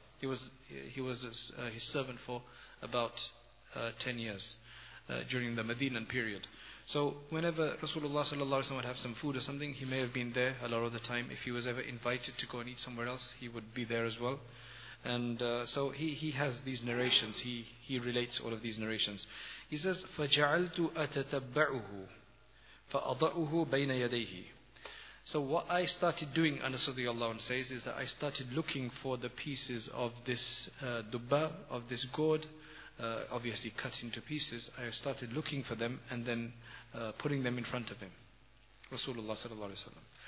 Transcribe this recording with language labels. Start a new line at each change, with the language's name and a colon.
English: He was his servant for about 10 years during the Madinan period. So whenever Rasulullah sallallahu alaihi wasallam would have some food or something, he may have been there a lot of the time. If he was ever invited to go and eat somewhere else, he would be there as well. And so he has these narrations. He relates all of these narrations. He says,
Arabic: فَجَعَلْتُ أَتَتَبَّعُهُ فَأَضَعُهُ بَيْنَ يَدَيْهِ.
English: So what I started doing, Anas radiyallahu anhu says, is that I started looking for the pieces of this dubba, of this gourd, obviously cut into pieces. I started looking for them and then putting them in front of him, Rasulullah sallallahu alaihi wasallam.